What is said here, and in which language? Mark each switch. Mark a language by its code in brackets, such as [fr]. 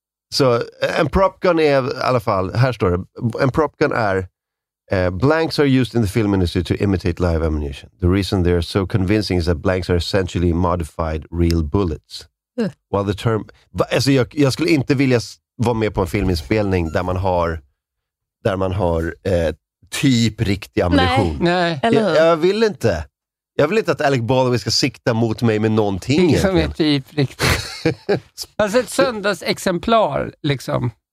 [sv] Så en prop gun är i alla fall, här står det. En prop gun är [en] blanks are used in the film industry to imitate live ammunition. The reason they are so convincing is that blanks are essentially modified real bullets. While the term, [sv] alltså jag skulle inte vilja vara med på en filminspelning där man har typ riktig ammunition. Nej. Jag vill inte. Jag vill inte att Alec Baldwin ska sikta mot mig med någonting. Det som egentligen är typ riktigt. Alltså ett söndagsexemplar liksom.